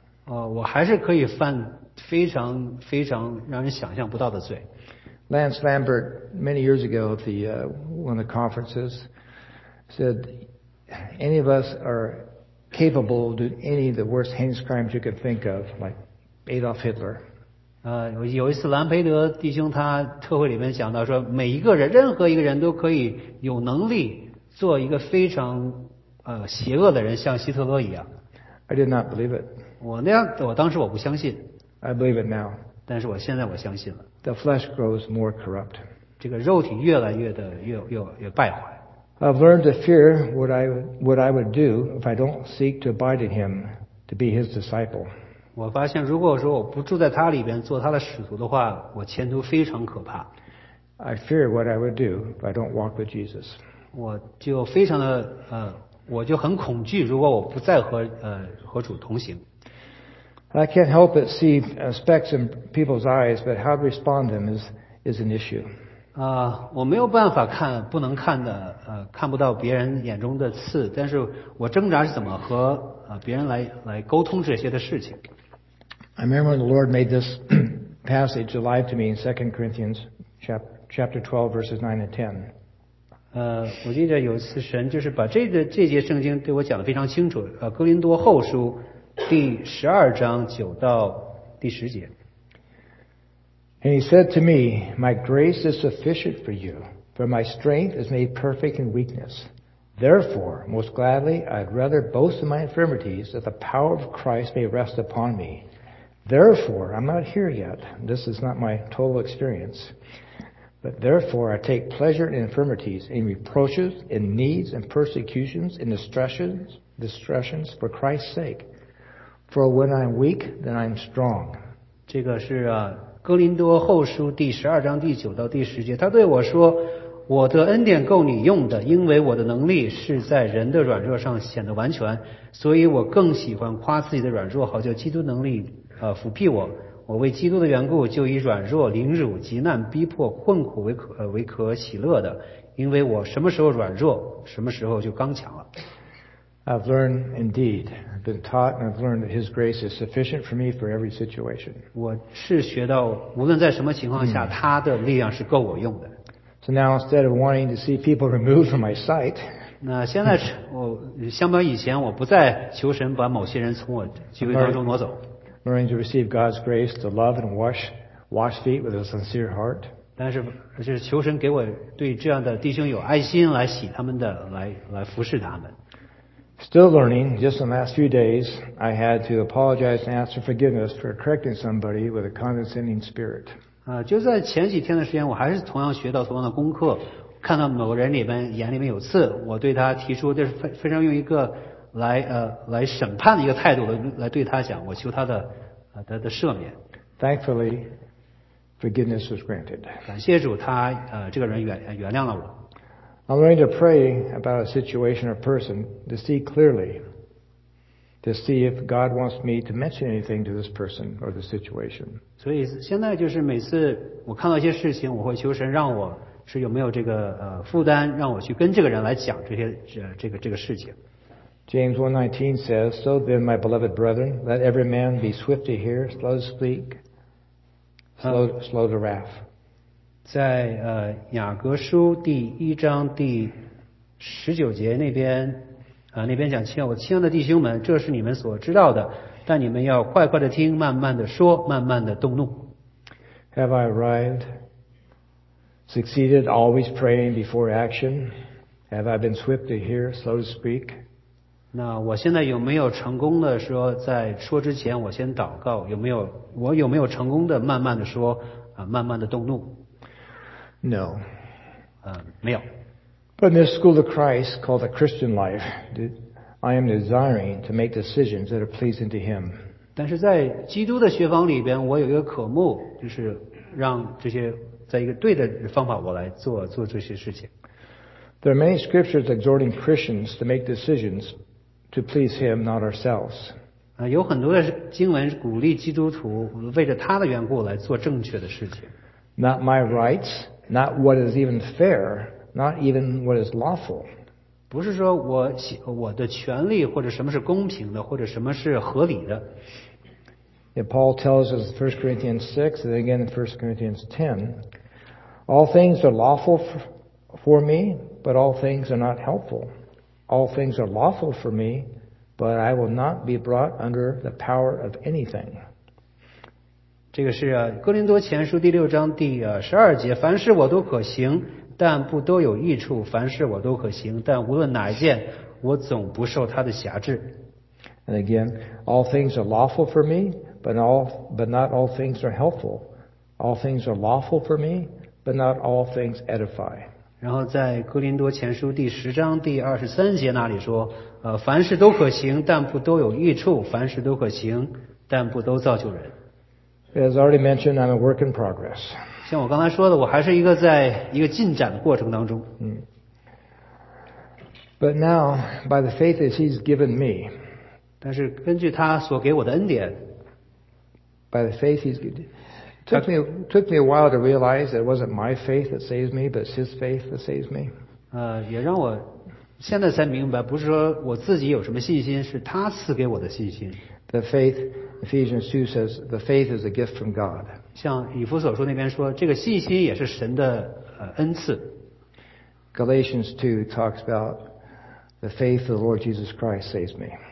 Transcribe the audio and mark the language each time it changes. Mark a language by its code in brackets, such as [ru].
[en] Lance Lambert, many years ago at one of the conferences, said, any of us are capable of doing any of the worst heinous crimes you could think of, like Adolf Hitler. [zh] 有一次兰培德弟兄他特会里面讲到说，每一个人，任何一个人都可以有能力做一个非常邪恶的人，像希特勒一样。 [en] I did not believe it. [zh] 我当时不相信。 [en] I believe it now. [zh] 但是我现在我相信了。 [en] The flesh grows more corrupt. [zh] 这个肉体越来越的越败坏。 [en] I've learned to fear what I would do if I don't seek to abide in Him to be His disciple. [zh] 我发现如果说我不住在他里边做他的使徒的话，我前途非常可怕。 [en] I fear what I would do if I don't walk with Jesus. [zh] 我就非常的我就很恐惧如果我不再和主同行。 [en] I can't help but see specks in people's eyes, but how to respond to them is an issue. [zh] 我没有办法看不能看的看不到别人眼中的刺，但是我挣扎是怎么和别人来沟通这些的事情。 [en] I remember when the Lord made this passage alive to me in 2 Corinthians chapter 12, verses 9 and 10. [zh] 我记得有一次神就是把这节圣经对我讲得非常清楚，哥林多后书第12章9到第10节。 [en] And he said to me, my grace is sufficient for you, for my strength is made perfect in weakness. Therefore, most gladly, I'd rather boast in my infirmities that the power of Christ may rest upon me. Therefore, I'm not here yet. This is not my total experience. But therefore, I take pleasure in infirmities, in reproaches, in needs, in persecutions, in distressions for Christ's sake. For when I'm weak, then I'm strong. [zh] 这个是哥林多后书第12章第9到第10节。他对我说，我的恩典够你用的，因为我的能力是在人的软弱上显得完全。所以我更喜欢夸自己的软弱，好叫基督能力抚庇我，我为基督的缘故，就以软弱、凌辱、极难、逼迫、困苦为可喜乐的，因为我什么时候软弱，什么时候就刚强了。 [en] I've learned indeed, I've been taught, and I've learned that His grace is sufficient for me for every situation. [zh] 我是学到，无论在什么情况下，他的力量是够我用的。 [en] So now instead of wanting to see people removed from my sight, [zh] 那现在我相比以前，我不再求神把某些人从我聚会当中挪走。 [en] Learning to receive God's grace, to love and wash feet with a sincere heart. [zh] 但是就是求神给我对这样的弟兄有爱心来洗他们的来服侍他们。 [en] Still learning, just in the last few days, I had to apologize and ask for forgiveness for correcting somebody with a condescending spirit. [zh] 就在前几天的时间，我还是同样学到同样的功课，看到某个人里边眼里面有刺，我对他提出这是非常用一个来审判的一个态度来对他讲，我求他的赦免。 [en] Thankfully, forgiveness was granted. [zh] 感谢主，他这个人原谅了我。 [en] I'm learning to pray about a situation or person to see clearly, to see if God wants me to mention anything to this person or the situation. [zh] 所以现在就是每次我看到一些事情，我会求神让我是有没有这个负担，让我去跟这个人来讲这些这个事情。 [en] James 1:19 says, So then, my beloved brethren, let every man be swift to hear, slow to speak, slow to wrath. [zh] 在雅各书第一章第十九节那边讲，亲爱的弟兄们，这是你们所知道的，但你们要快快的听，慢慢的说，慢慢的动怒。 [en] Have I arrived? Succeeded always praying before action? Have I been swift to hear, slow to speak? [zh] 那我现在有没有成功的说在说之前我先祷告，我有没有成功的慢慢的说慢慢的动怒 [en] No [zh] 没有。 [en] But in this school of Christ called the Christian life, I am desiring to make decisions that are pleasing to Him. [zh] 但是在基督的学坊里边，我有一个渴慕，就是让这些在一个对的方法我来做这些事情。 [en] There are many scriptures exhorting Christians to make decisionsTo please Him, not ourselves. [zh] 有很多的经文鼓励基督徒为着他的缘故来做正确的事情。 [en] Not my rights, not what is even fair, not even what is lawful. [zh] 不是说我的权利或者什么是公平的或者什么是合理的。 [en] If Paul tells us in 1 Corinthians 6 and again in 1 Corinthians 10, all things are lawful for me, but all things are not helpful. All things are lawful for me, but I will not be brought under the power of anything. [zh] 这个是哥林多前书第六章第12节，凡事我都可行，但不都有益处，凡事我都可行，但无论哪一件，我总不受他的辖制。 [en] And again, all things are lawful for me, but not all things are helpful. All things are lawful for me, but not all things edify. [zh] 然后在哥林多前书第十章第23节那里说，凡事都可行，但不都有益处，凡事都可行，但不都造就人。 [en] As already mentioned, I'm a work in progress. [zh] 像我刚才说的，我还是一个在一个进展的过程当中。 [en] But now, by the faith that He's given me, [zh] 但是根据他所给我的恩典 [en] ，by the faith He's given, took me a while to realize that it wasn't my faith that saves me, but it's His faith that saves me. [zh] 也让我现在才明白，不是说我自己有什么信心，是他赐给我的信心。 [en] The faith, Ephesians 2 says, the faith is a gift from God. [zh] 像以弗所书那边说，这个信心也是神的恩赐。 [en] Galatians 2 talks about the faith of the Lord Jesus Christ saves me.